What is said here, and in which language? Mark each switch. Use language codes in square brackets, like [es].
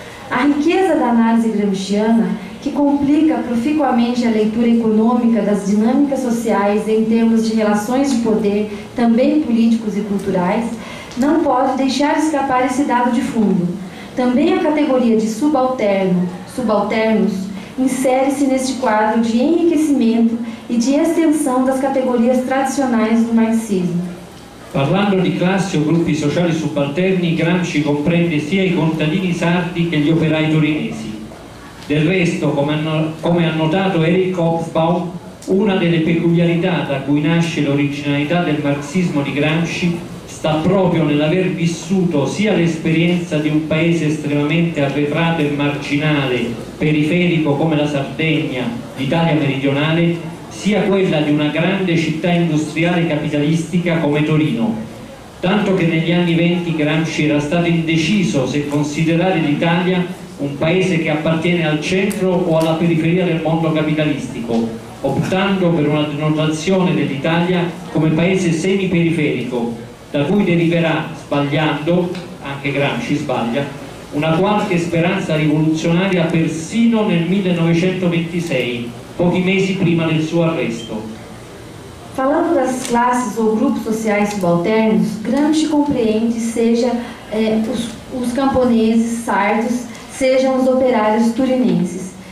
[pt] A riqueza da análise gramsciana, que complica proficuamente a leitura econômica das dinâmicas sociais em termos de relações de poder, também políticos e culturais, não pode deixar escapar esse dado de fundo. Também a categoria de subalterno, subalternos, insere-se neste quadro de enriquecimento e de extensão das categorias tradicionais do marxismo. [it] Parlando di classi o gruppi sociali subalterni, Gramsci comprende sia i contadini sardi che gli operai torinesi. Del resto, come ha notato Eric Hobsbawm, una delle peculiarità da cui nasce l'originalità del marxismo di Gramsci sta proprio nell'aver vissuto sia l'esperienza di un paese estremamente arretrato e marginale, periferico come la Sardegna, l'Italia meridionale, sia quella di una grande città industriale capitalistica come Torino, tanto che negli anni 20 Gramsci era stato indeciso se considerare l'Italia un paese che appartiene al centro o alla periferia del mondo capitalistico, optando per una denotazione dell'Italia come paese semiperiferico, da cui deriverà, sbagliando, anche Gramsci sbaglia, una qualche speranza rivoluzionaria persino nel 1926, pochi mesi prima del suo arresto. [pt] Falando das classes ou grupos sociais subalternos, Gramsci compreende seja os camponeses sardos, sejam os operários turinenses.